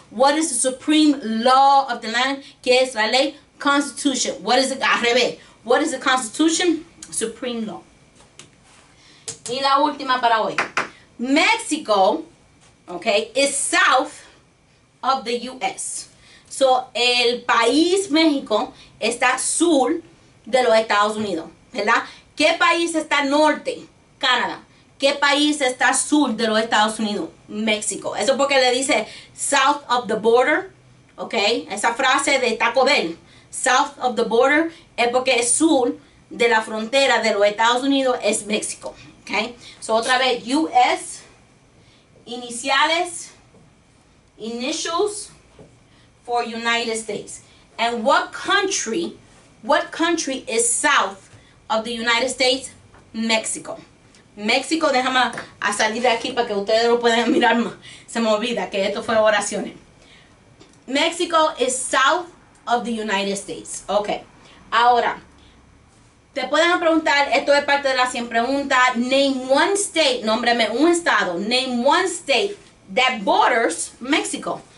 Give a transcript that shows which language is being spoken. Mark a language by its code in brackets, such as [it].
[en] What is the supreme law of the land? [es] ¿Qué es la ley? [en] Constitution. What is it? [es] Al revés. [en] What is the Constitution? Supreme law. [es] Y la última para hoy. [en] Mexico, okay, is south of the U.S. [es] So, el país México está sur de los Estados Unidos, ¿verdad? ¿Qué país está norte? Canadá. ¿Qué país está sur de los Estados Unidos? México. Eso porque le dice South of the Border, ¿ok? Esa frase de Taco Bell, South of the Border, es porque es sur de la frontera de los Estados Unidos, es México, ¿ok? [en] So, [es] otra vez, [en] U.S., [es] iniciales, [en] initials for United States. And what country is south of the United States? Mexico. [es] México, déjame a salir de aquí para que ustedes lo puedan mirar más. Se me olvida que esto fue oraciones. [en] México is south of the United States. Ok. [es] Ahora, te pueden preguntar, esto es parte de la 100 preguntas. [en] Name one state, [es] nómbrame un estado. [en] Name one state that borders México.